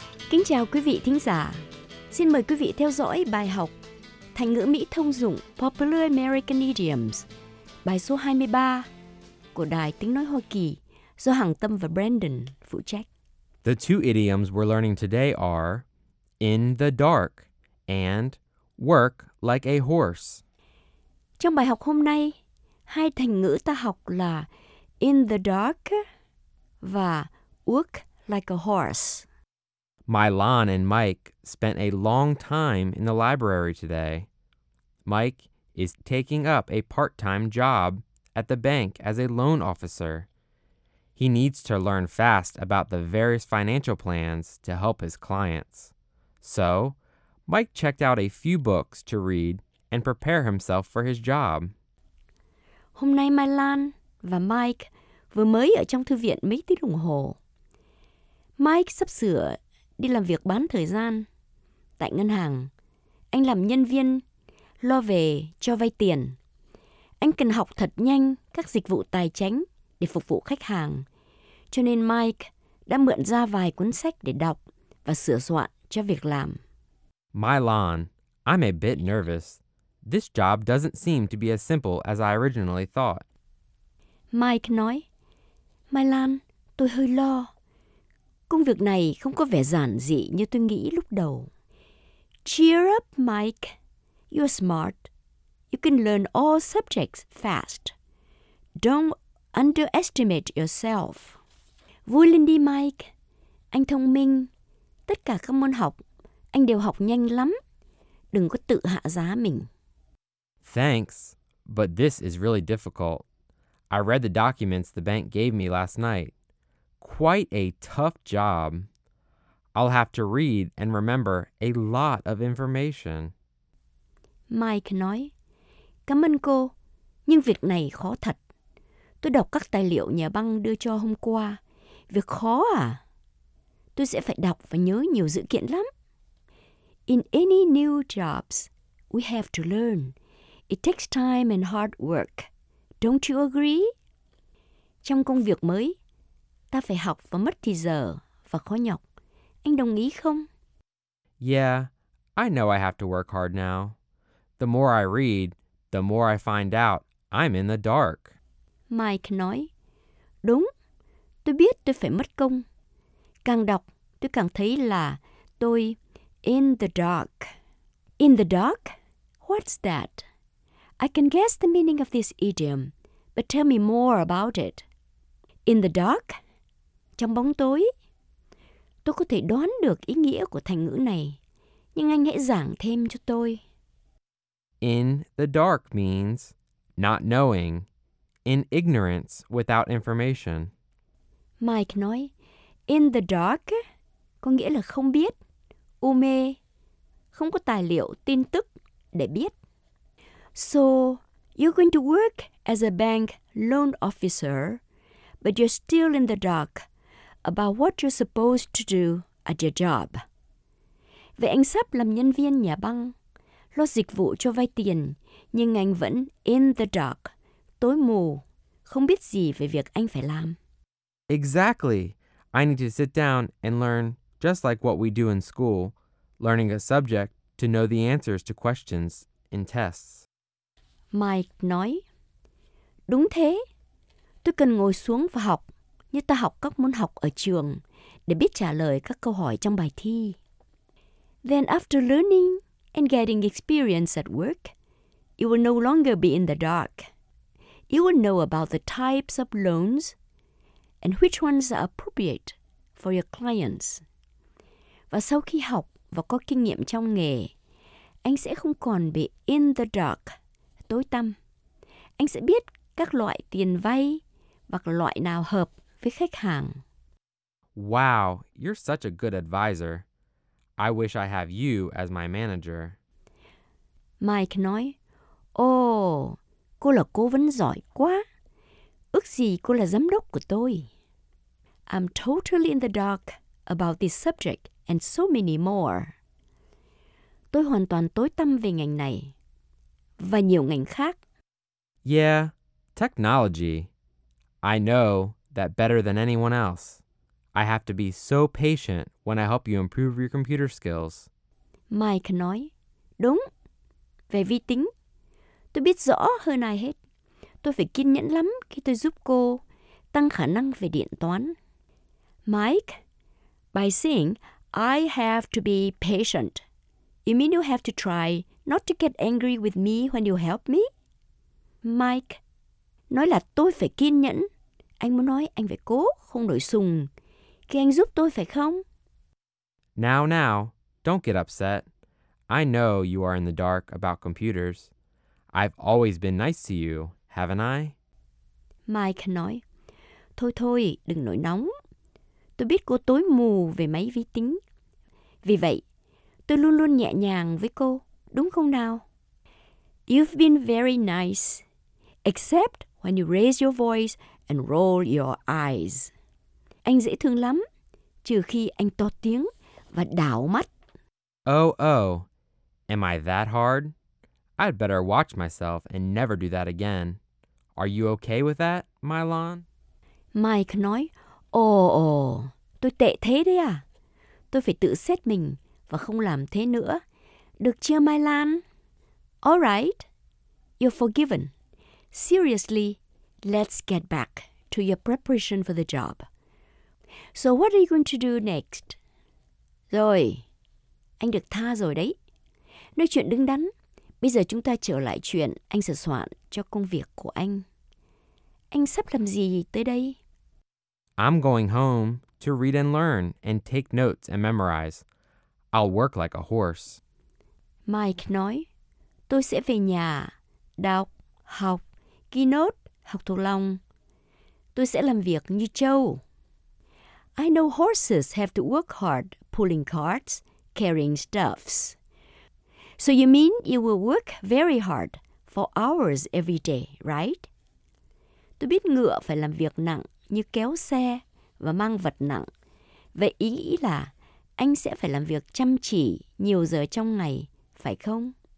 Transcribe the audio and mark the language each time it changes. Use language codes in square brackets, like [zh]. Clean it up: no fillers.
[vi] Kính chào quý vị thính giả. Xin mời quý vị theo dõi bài học thành ngữ Mỹ thông dụng Popular American Idioms, bài số 23 của Đài Tiếng Nói Hoa Kỳ do Hằng Tâm và Brandon phụ trách. [en] The two idioms we're learning today are in the dark and work like a horse. [vi] Trong bài học hôm nay, hai thành ngữ ta học là [en] in the dark [vi] và [en] work like a horse. Mylon and Mike spent a long time in the library today. Mike is taking up a part-time job at the bank as a loan officer. He needs to learn fast about the various financial plans to help his clients. So, Mike checked out a few books to read and prepare himself for his job. [vi] Hôm nay Mylon và Mike vừa mới ở trong thư viện mấy tiếng đồng hồ. Mike sắp sửa đi làm việc bán thời gian tại ngân hàng. Anh làm nhân viên lo về cho vay tiền. Anh cần học thật nhanh các dịch vụ tài chính để phục vụ khách hàng. Cho nên Mike đã mượn ra vài cuốn sách để đọc và sửa soạn cho việc làm. [en] Mylon, I'm a bit nervous. This job doesn't seem to be as simple as I originally thought. [vi] Mike nói, Mylon, tôi hơi lo. Công việc này không có vẻ giản dị như tôi nghĩ lúc đầu. [en] Cheer up, Mike. You're smart. You can learn all subjects fast. Don't underestimate yourself. [vi] Vui lên đi, Mike. Anh thông minh. Tất cả các môn học, anh đều học nhanh lắm. Đừng có tự hạ giá mình. [en] Thanks, but this is really difficult. I read the documents the bank gave me last night. Quite a tough job. I'll have to read and remember a lot of information. [vi] Mike nói, cảm ơn cô, nhưng việc này khó thật. Tôi đọc các tài liệu nhà băng đưa cho hôm qua. Việc khó à? Tôi sẽ phải đọc và nhớ nhiều dữ kiện lắm. [en] In any new jobs, we have to learn. It takes time and hard work. Don't you agree? [vi] Trong công việc mới, ta phải học và mất thì giờ và khó nhọc. Anh đồng ý không? [en] Yeah, I know I have to work hard now. The more I read, the more I find out I'm in the dark. [vi] Mike nói, đúng, tôi biết tôi phải mất công. Càng đọc, tôi càng thấy là tôi [en] in the dark. In the dark? What's that? I can guess the meaning of this idiom, but tell me more about it. In the dark? [vi] Trong bóng tối, tôi có thể đoán được ý nghĩa của thành ngữ này, nhưng anh hãy giảng thêm cho tôi. [en] In the dark means not knowing, in ignorance without information. [vi] Mike nói, [en] in the dark [vi] có nghĩa là không biết, u mê, không có tài liệu, tin tức để biết. [en] So, you're going to work as a bank loan officer, but you're still in the dark about what you're supposed to do at your job. [vi] Vậy anh sắp làm nhân viên nhà băng, lo dịch vụ cho vay tiền, nhưng anh vẫn [en] in the dark, [vi] tối mù, không biết gì về việc anh phải làm. [en] Exactly. I need to sit down and learn, just like what we do in school, learning a subject to know the answers to questions in tests. [vi] Mike nói, đúng thế, tôi cần ngồi xuống và học như ta học các môn học ở trường để biết trả lời các câu hỏi trong bài thi. [en] Then after learning and getting experience at work, you will no longer be in the dark. You will know about the types of loans and which ones are appropriate for your clients. [vi] Và sau khi học và có kinh nghiệm trong nghề, anh sẽ không còn bị [en] in the dark. [vi] Tối tăm. Anh sẽ biết các loại tiền vay hoặc loại nào hợp với khách hàng. [en] Wow, you're such a good advisor. I wish I have you as my manager. [vi] Mike nói, oh, cô là cố vấn giỏi quá. Ước gì cô là giám đốc của tôi. [en] I'm totally in the dark about this subject and so many more. [vi] Tôi hoàn toàn tối tăm về ngành này. Và nhiều ngành khác. [en] Yeah, technology. I know that better than anyone else. I have to be so patient when I help you improve your computer skills. [vi] Mike nói, đúng, về vi tính. Tôi biết rõ hơn ai hết. Tôi phải kiên nhẫn lắm khi tôi giúp cô tăng khả năng về điện toán. [en] Mike, by saying I have to be patient, you mean you have to try not to get angry with me when you help me? [vi] Mike, nói là tôi phải kiên nhẫn. Anh muốn nói anh phải cố, không đổi sùng. Khi anh giúp tôi phải không? [en] Now, now, don't get upset. I know you are in the dark about computers. I've always been nice to you, haven't I? [vi] Mike nói, thôi thôi, đừng nổi nóng. Tôi biết cô tối mù về máy vi tính. Vì vậy, tôi luôn luôn nhẹ nhàng với cô, đúng không nào? [en] You've been very nice, except when you raise your voice and roll your eyes. [vi] Anh dễ thương lắm, trừ khi anh to tiếng và đảo mắt. [en] Oh, oh, am I that hard? I'd better watch myself and never do that again. Are you okay with that, Mylon? [vi] Mike nói, Oh, tôi tệ thế đấy à. Tôi phải tự xét mình và không làm thế nữa. Được chưa, Mylon? [en] All right, you're forgiven. Seriously, let's get back to your preparation for the job. So what are you going to do next? [vi] Rồi, anh được tha rồi đấy. Nói chuyện đứng đắn. Bây giờ chúng ta trở lại chuyện anh sửa soạn cho công việc của anh. Anh sắp làm gì tới đây? [en] I'm going home to read and learn and take notes and memorize. I'll work like a horse. [vi] Mike nói, tôi sẽ về nhà, đọc, học, ghi nốt, học thuộc lòng. Tôi sẽ làm việc như trâu. [en] I know horses have to work hard pulling carts, carrying stuffs. So you mean you will work very hard for hours every day, right? [vi] Tôi biết ngựa phải làm việc nặng như kéo xe và mang vật nặng. Vậy ý nghĩ là anh sẽ phải làm việc chăm chỉ nhiều giờ trong ngày, phải không?